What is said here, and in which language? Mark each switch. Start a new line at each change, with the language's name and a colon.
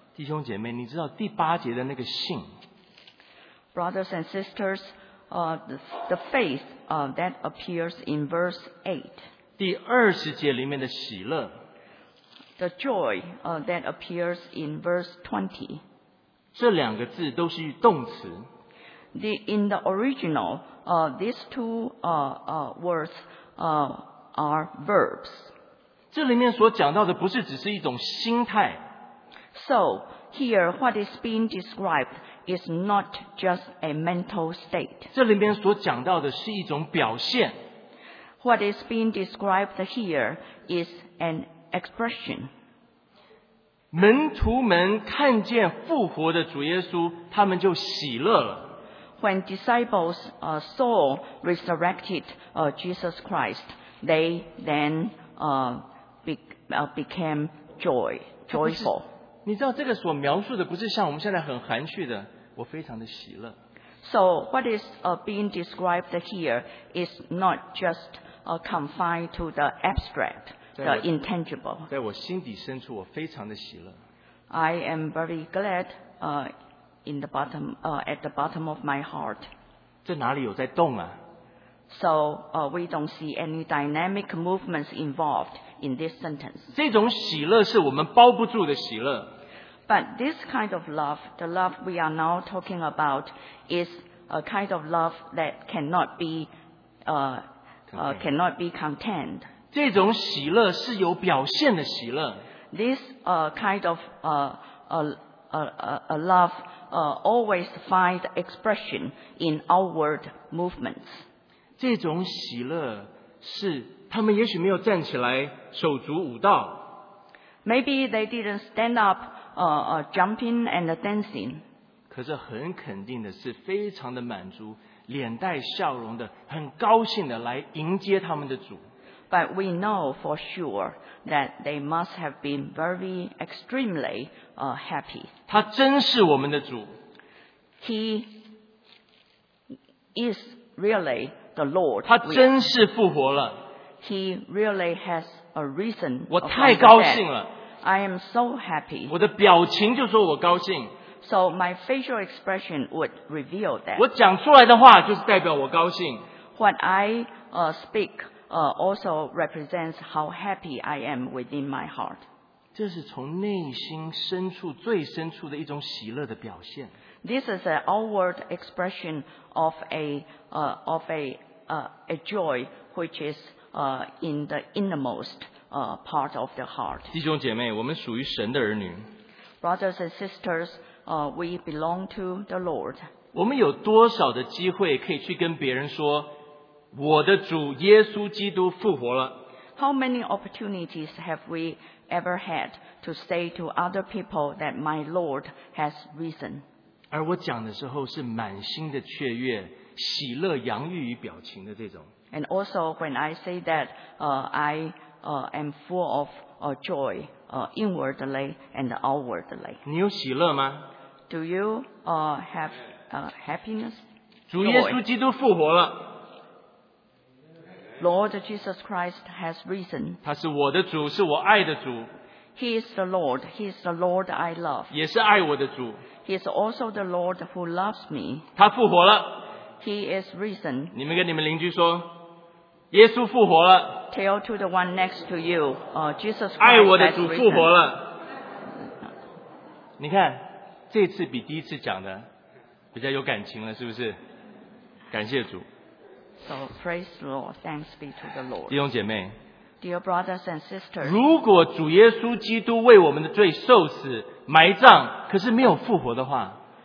Chinese: 弟兄姐妹，你知道第八节的那个信
English: ？Brothers and sisters, the faith that appears in verse 8.
Chinese: 第二十节里面的喜乐
English: ，the joy that appears in verse 20.
Chinese: 这两个字都是动词。
English: In the original, these two words are verbs.
Chinese: 这里面所讲到的不是只是一种心态。
English: So, here what is being described is not just a mental state.
Chinese: 这里面所讲到的是一种表现。
English: What is being described here is an expression.
Chinese: 门徒们看见复活的主耶稣，他们就喜乐了。
English: When disciples saw resurrected Jesus Christ, they then became joyful.
Chinese: 你知道这个所描述的不是像我们现在很含蓄的，我非常的喜乐。
English: So what is being described here is not just confined to the abstract. The intangible.
Chinese: 在我心底深处，我非常的喜乐。
English: I am very glad, in the bottom, at the bottom of my heart.
Chinese: 这哪里有在动啊
English: ？So, we don't see any dynamic movements involved in this sentence.
Chinese: 这种喜乐是我们包不住的喜乐。
English: But this kind of love, the love we are now talking about, is a kind of love that cannot be contained.
Chinese: 这种喜乐是有表现的喜乐。
English: This kind of love always finds expression in outward movements.
Chinese: 这种喜乐是他们也许没有站起来手足舞蹈。
English: Maybe they didn't stand up jumping and dancing.
Chinese: 可是很肯定的是非常的满足，脸带笑容的，很高兴的来迎接他们的主。
English: But we know for sure that they must have been very extremely happy.
Chinese: 他真是我们的主。
English: He is really the Lord.
Chinese: 他真是复活了。
English: He really has a reason.
Chinese: 我太高兴了。
English: I am so happy.
Chinese: 我的表情就说我高兴。
English: So my facial expression would reveal that.
Chinese: 我讲出来的话就是代表我高兴。
English: What I speak also represents how happy I am within my heart.
Chinese: 这是从内心深处最深处的一种喜乐的表现。
English: This is an outward expression of a joy which is in the innermost part of the heart.
Chinese: 弟兄姐妹，我们属于神的儿女。
English: Brothers and sisters, we belong to the Lord.
Chinese: 我们有多少的机会可以去跟别人说，我的主耶稣基督复活了？
English: How many opportunities have we ever had to say to other people that my Lord has risen?
Chinese: 而我讲的时候是满心的雀跃，喜乐洋溢于表情的这种。
English: And also when I say that, am full of joy, inwardly and outwardly.
Chinese: 你有喜乐吗？
English: Do you have happiness?
Chinese: 主耶稣基督复活了。
English: Lord Jesus Christ has risen.
Chinese: 他是我的主，是我爱的主。
English: He is the Lord. He is the Lord I love.
Chinese: 也是爱我的主。
English: He is also the Lord who loves me.
Chinese: 他复活了。
English: He is risen.
Chinese: 你们跟你们邻居说，耶稣复活了。
English: Tell to the one next to you, Jesus
Chinese: Christ 爱我的主复活了。你看，这次比第一次讲的比较有感情了，是不是？感谢主。
English: So praise the Lord, thanks be to the Lord.
Chinese: 弟兄姐妹，
English: Dear brothers and sisters,
Chinese: 如果主耶稣基督为我们的罪受死埋葬，可是没有复活的话，